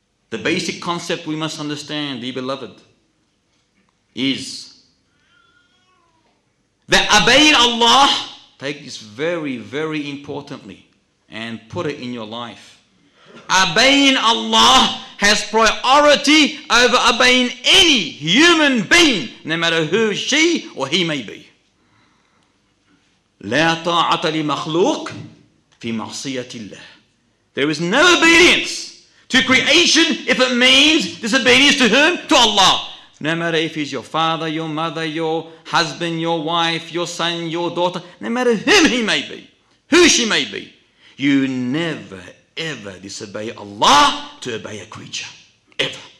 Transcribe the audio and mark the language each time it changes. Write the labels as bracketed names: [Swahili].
[English] The basic concept we must understand, dear beloved, is that obeying Allah, take this very, very importantly and put it in your life. Obeying Allah has priority over obeying any human being, no matter who she or he may be. [Arabic] لا طاعة لمخلوق في معصية الله. [English] There is no obedience to creation if it means disobedience to whom? To Allah. No matter if he's your father, your mother, your husband, your wife, your son, your daughter, no matter whom he may be, who she may be, you never ever disobey Allah to obey a creature. Ever.